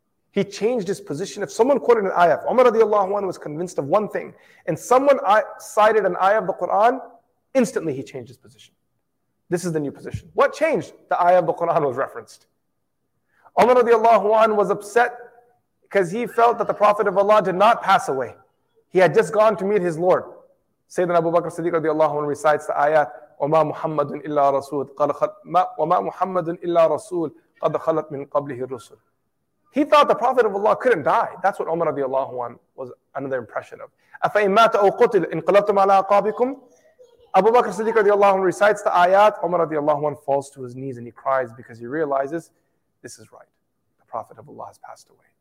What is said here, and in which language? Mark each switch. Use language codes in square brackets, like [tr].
[en] He changed his position. If someone quoted an ayah, Umar radiallahu anhu was convinced of one thing, and someone cited an ayah of the Quran, instantly he changed his position. This is the new position. What changed? The ayah of the Quran was referenced. Umar radiallahu anhu was upset because he felt that the Prophet of Allah did not pass away. He had just gone to meet his Lord. Sayyidina Abu Bakr Siddiq radiallahu anhu recites the ayah, [ar] وَمَا مُحَمَّدٌ إِلَّا رَسُولٌ وَمَا مُحَمَّدٌ إِلَّا رَسُولٌ قَدْ خَلَتْ مِنْ قَبْلِهِ الرُّسُلُ. [en] He thought the Prophet of Allah couldn't die. That's what Umar radiallahu anhu was another impression of. [ar] أَفَإِن مَاتَ أَوْ قُتِلْ إِنْ قَلَبْتُمْ عَلَىٰ أَعْقَابِكُمْ. [en] Abu Bakr Siddiq radiallahu anhu recites the ayat. Umar radiallahu anhu falls to his knees and he cries because he realizes this is right. The Prophet of Allah has passed away.